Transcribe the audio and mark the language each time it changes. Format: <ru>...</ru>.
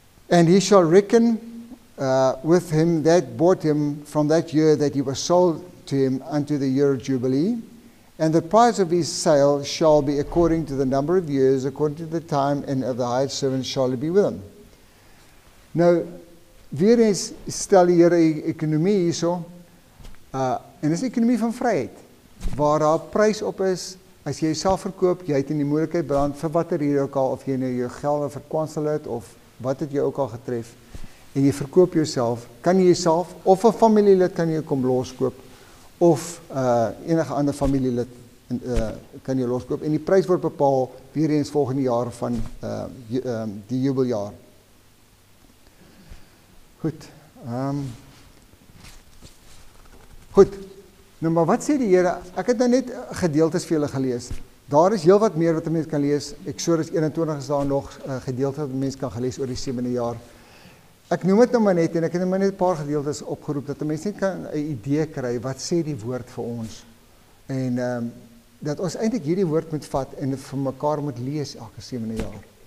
<en>And he shall reckon with him that bought him from that year that he was sold to him unto the year of Jubilee. And the price of his sale shall be according to the number of years, according to the time, and of the hired servant shall it be with him.</en> <af>Nou, weer eens stel hier die ekonomie hierso, en dit is die ekonomie van vryheid, waar daar prys op is, as jy self verkoop, jy het in die moeilikheid brand, vir wat hier ook al, of jy nou jou geld verkwansel het, of wat het jou ook al getref, en jy verkoop jouself, kan jy jouself, of een familielid kan jy kom loskoop, of enige ander familielid kan jy loskoop, en die prys word bepaal weer eens volgende jaar van die jubeljaar. Goed. Goed. Nou, maar wat sê die Here? Ek het nou net gedeeltes vir julle gelees. Daar is heel wat meer wat een mens kan lees. Exodus 21 is daar nog gedeelte wat een mens kan gelees oor die 7e jaar. Ek noem het nou maar net, en ek het nou maar net een paar gedeeltes opgeroep, dat een mens net kan een idee kry, wat sê die woord vir ons? En dat ons eindelijk hierdie woord moet vat, en vir mekaar moet lees elke 7e jaar.</af>